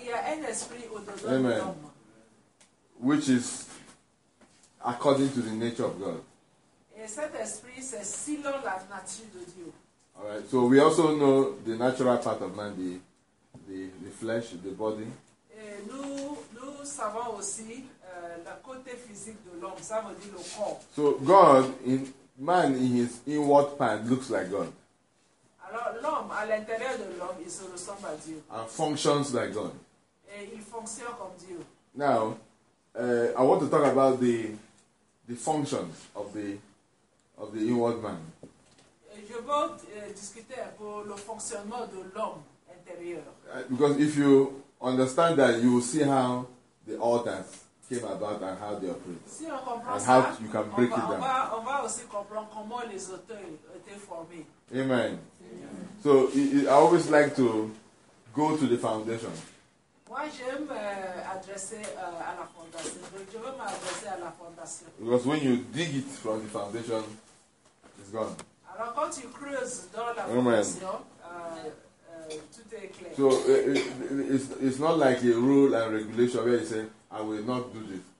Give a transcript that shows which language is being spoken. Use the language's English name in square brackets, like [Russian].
[French] Alors, il y a un esprit au-dedans de l'homme. [English] Which is according to the nature of God. [French] Et cet esprit, c'est selon la nature de Dieu. [English] All right. So we also know the natural part of man, the flesh, the body. [French] Et nous savons aussi le côté physique de l'homme, ça veut dire le corps. [English] So God, in his inward part, looks like God. [French] Alors, l'homme, à l'intérieur de l'homme, il se ressemble à Dieu. [English] And functions like God. [French] Et il fonctionne comme Dieu. [English] Now, I want to talk about the functions of the inward man. [French] Et je veux discuter pour le fonctionnement de l'homme intérieur. [English] Because if you understand that, you will see how the altars came about and how they operate. [French] Si on comprend [English] and [French] ça, [English] how you can break it down. [French] On va aussi comprendre comment les altars étaient formés. [English] Amen. So I always like to go to the foundation. [French] Moi, j'aime adresser à la fondation. Je veux m'adresser à la fondation. [English] Because when you dig it from the foundation, it's gone. [French] Alors quand tu creuses dans la fondation, tout est clair. [English] So it's not like a rule and regulation where you say, I will not do this.